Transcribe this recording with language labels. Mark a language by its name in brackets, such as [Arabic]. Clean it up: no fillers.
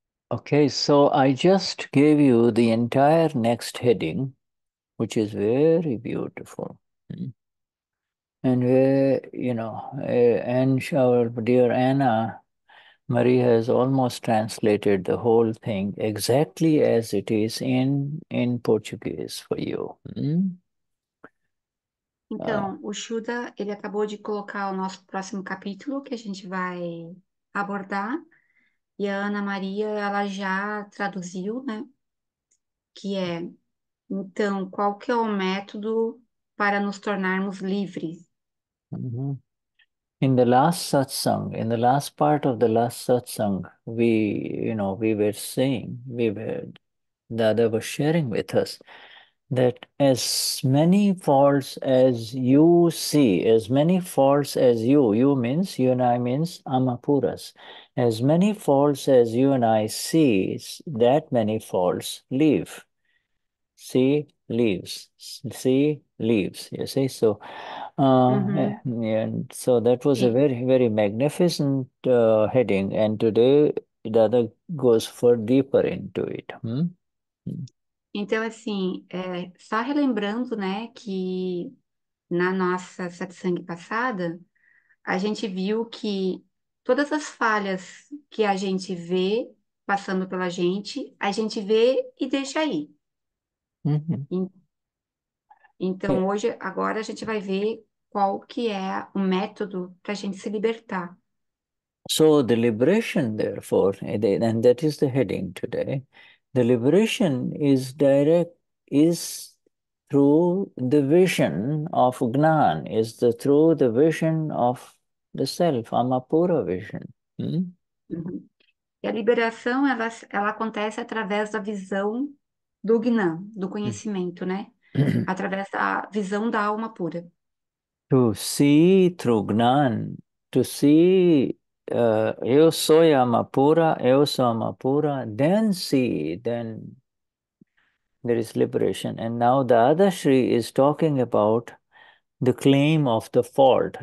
[English] Okay, so I just gave you the entire next heading, which is very beautiful. And and our dear Anna Marie has almost translated the whole thing exactly as it is in Portuguese for you. [Portuguese] Então, o Shuda, ele acabou de colocar o nosso próximo capítulo que a gente vai abordar. E a Ana Maria, ela já traduziu, né? Que é, então, qual que é o método para nos tornarmos livres? [English] In the last satsang, in the last part of the last satsang, we were saying, Dada was sharing with us that as many faults as you means, you and I means Amapuras, as many faults as you and I see, that many faults leave. See, leaves, you see. So, and so that was a very, very magnificent heading. And today, Dada goes for deeper into it. [Portuguese] Então, assim, só relembrando, né, que na nossa satsang passada, a gente viu que todas as falhas que a gente vê passando pela gente, a gente vê e deixa aí. Então, hoje, agora, a gente vai ver qual que é o método para a gente se libertar. [English] So, the liberation, therefore, and that is the heading today, the liberation is direct, is through the vision of Gnan, is the through the vision of the self, Amapura vision. [Portuguese] E a liberação, ela acontece através da visão do Gnan, do conhecimento, né? Através da visão da alma pura. [English] To see through Gnan, to see [Portuguese] eu sou Amapura, eu sou Amapura, [English] then see, then there is liberation. And now the other Shri is talking about the claim of the fault.